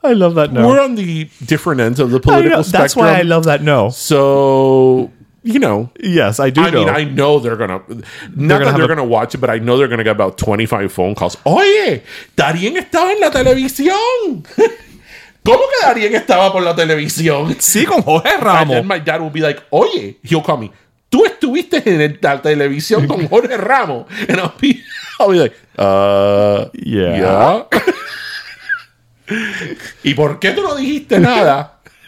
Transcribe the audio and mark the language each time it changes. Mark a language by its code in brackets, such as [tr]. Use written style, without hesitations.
[en] We're on the different ends of the political spectrum. That's why I love that no. So, you know. Yes, I do know. I mean, I know they're going to, watch it, but I know they're going to get about 25 phone calls. [es] Oye, Darien estaba en la televisión. ¿Cómo que Darien estaba por la televisión? Sí, con Jorge Ramos. [en] And then my dad will be like, oye, he'll call me. [es] Tú estuviste en la televisión con Jorge Ramos. [en] And I'll be like, yeah. [es] ¿Y por qué tú no dijiste nada?